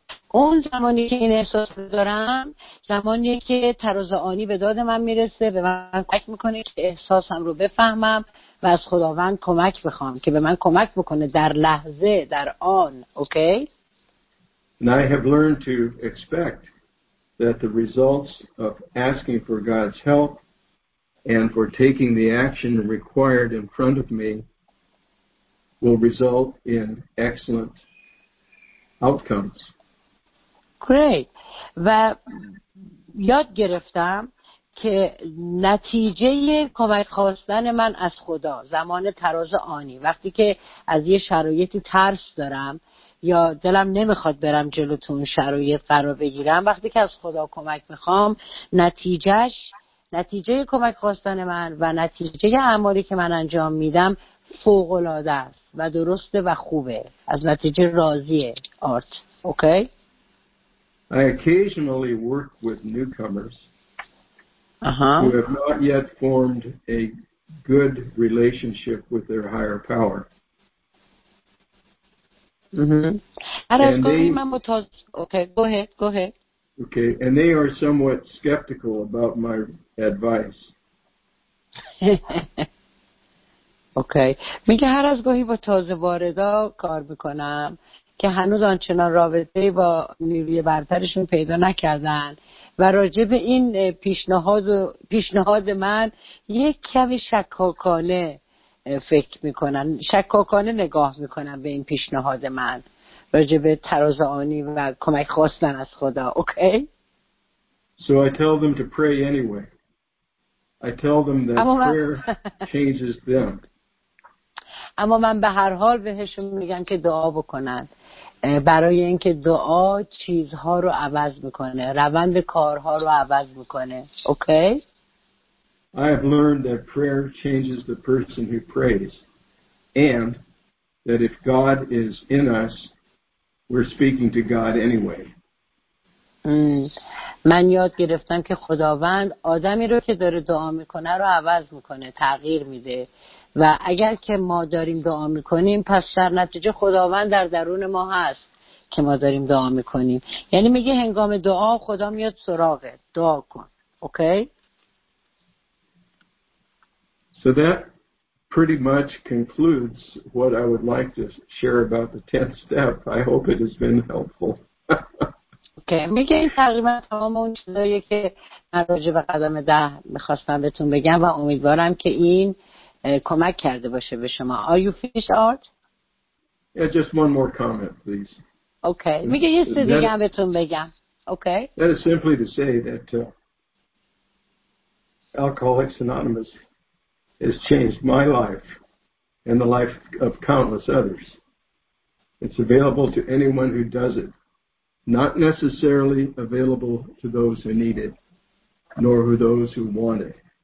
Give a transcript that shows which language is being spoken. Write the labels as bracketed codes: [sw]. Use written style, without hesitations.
[fa] اون زمانی که این احساس دارم زمانی که تراز آنی به داد من میرسه به من کمک میکنه که احساسم رو بفهمم و از خداوند کمک بخوام که به من کمک بکنه در لحظه در آن. اوکی؟ [en] And I have learned to expect that the results of asking for God's help and for taking the action required in front of me will result in excellent outcomes. Great. [fa] و یاد گرفتم که نتیجه کمک خواستن من از خدا زمان تراز آنی وقتی که از یه شرایطی ترس دارم یا دلم نمیخواد برم جلوتون شرایط قرار بگیرم، وقتی که از خدا کمک میخوام نتیجه کمک خواستن من و نتیجه اعمالی که من انجام میدم فوق‌العاده است و درسته و خوبه، از نتیجه راضیه. آرت، اوکی؟ [en] I occasionally work with newcomers who have not yet formed a good relationship with their higher power. Go ahead. Okay, and they are somewhat skeptical about my advice. Okay. [fa] میگه هر از گاهی با تازه واردا کار میکنم که هنوز آنچنان رابطه با نیروی برترشون پیدا نکردن و راجع به این پیشنهاد من یک کمی شکاکانه فکر میکنن، شکاکانه نگاه میکنن به این پیشنهاد من راجع به تراز آنی و کمک خواستن از خدا. اوکی؟ [en] So I tell them to pray anyway. I tell them that prayer changes them. [fa] اما من به هر حال بهشون میگم که دعا بکنن برای اینکه دعا چیزها رو عوض میکنه، روند کارها رو عوض میکنه. اوکی؟ [en] I have learned that prayer changes the person who prays and that if God is in us we're speaking to God anyway. [fa] من یاد گرفتم که خداوند آدمی رو که داره دعا میکنه رو عوض میکنه، تغییر میده، و اگر که ما داریم دعا میکنیم پس در نتیجه خداوند در درون ما هست که ما داریم دعا میکنیم. یعنی میگه هنگام دعا خدا میاد سراغت، دعا کن. اوکی؟ [en] So that pretty much concludes what I would like to share about the 10th step. I hope it has been helpful. [fa] اوکی. میگه این تقریبا تمام اون چیزایی که من راجع به قدم 10 میخواستم بهتون بگم و امیدوارم که این کمک کرده باشه به شما. [en] Are you finished, Art? Yeah, just one more comment, please. Okay. [fa] میگه یه سری دیگه هم بهتون بگم. [en] Okay. That is simply to say that Alcoholics Anonymous has changed my life and the life of countless others. It's available to anyone who does it. Not necessarily available to those who need it, nor to those who want it.